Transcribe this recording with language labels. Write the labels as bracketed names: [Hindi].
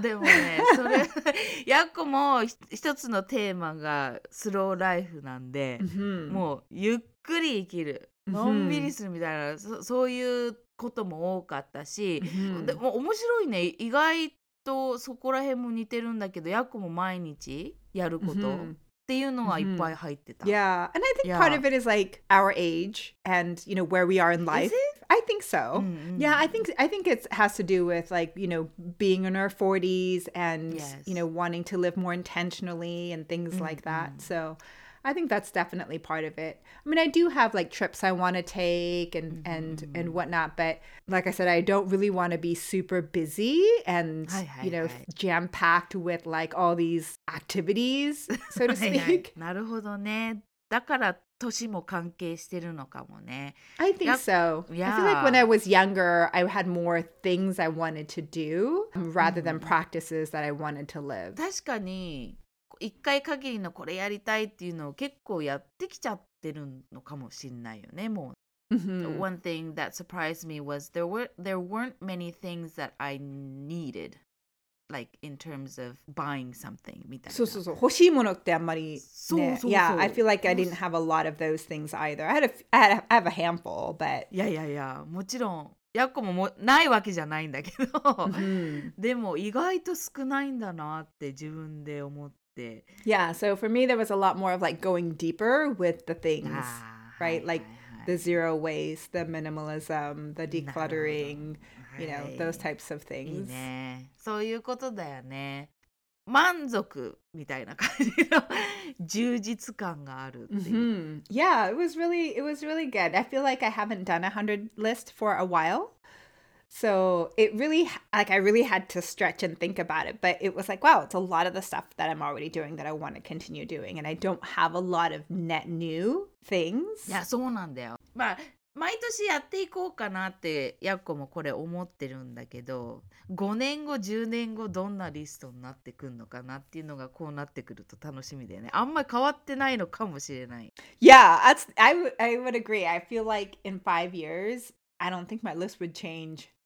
[Japanese] でもね、それヤッコも一つのテーマがスローライフなんで、うん、もうゆっくり生きる、のんびりするみたいな、うん、そういうことも多かったし、うん、でも面白いね。意外とそこら辺も似てるんだけど、ヤッコも毎日やること。うんっていうのがいっぱい入ってた。 [English] Yeah, and I think part of it is like our age and you know where we are in life. Is it? I think so. Mm-hmm. Yeah, I think it has to do with like you know being in our 40s and yes. you know wanting to live more intentionally and things mm-hmm. like that. So I think that's definitely part of it. I mean, I do have like trips I want to take and mm-hmm. and whatnot, but like I said, I don't really want to be super busy and [Japanese] はいはいはい. [English] you know jam packed with like all these activities, so to speak. [Japanese] はいはい。なるほどね。だから歳も関係してるのかもね。 [English] I think so. Yeah. I feel like when I was younger, I had more things I wanted to do rather than practices that I wanted to live. [Japanese] 確かに。一回限りのこれやりたいっていうのを結構やってきちゃってるのかもしんないよね、もう。 Mm-hmm. [English] One thing that surprised me was there weren't many things that I needed, like in terms of buying something [Japanese] みたいな。そうそうそう、欲しいものってあんまり、ね、そうそうそう。 [English] Yeah, I feel like I didn't have a lot of those things either. I have a handful, but... [Japanese] いやいやいや、もちろん。ヤッコもないわけじゃないんだけど。 Mm-hmm. でも意外と少ないんだなって自分で思って。 [English] Yeah, so for me, there was a lot more of like going deeper with the things, right? Like the zero waste, the minimalism, the decluttering, you know, those types of things. いいね。そういうことだよね。満足みたいな感じの充実感があるっていう。 Mm-hmm. Yeah, it was really good. I feel like I haven't done a 100 list for a while. So it really, like I really had to stretch and think about it, but it was like, wow, it's a lot of the stuff that I'm already doing that I want to continue doing. And I don't have a lot of net new things. [Japanese] いや、そうなんだよ。まあ、毎年やっていこうかなって、ヤッコもこれ思ってるんだけど、5年後、10年後、どんなリストになってくるのかなっていうのがこうなってくると楽しみだよね。あんまり変わってないのかもしれない。 [English] Yeah, I would agree. I feel like in 5 years, I don't think my list would change.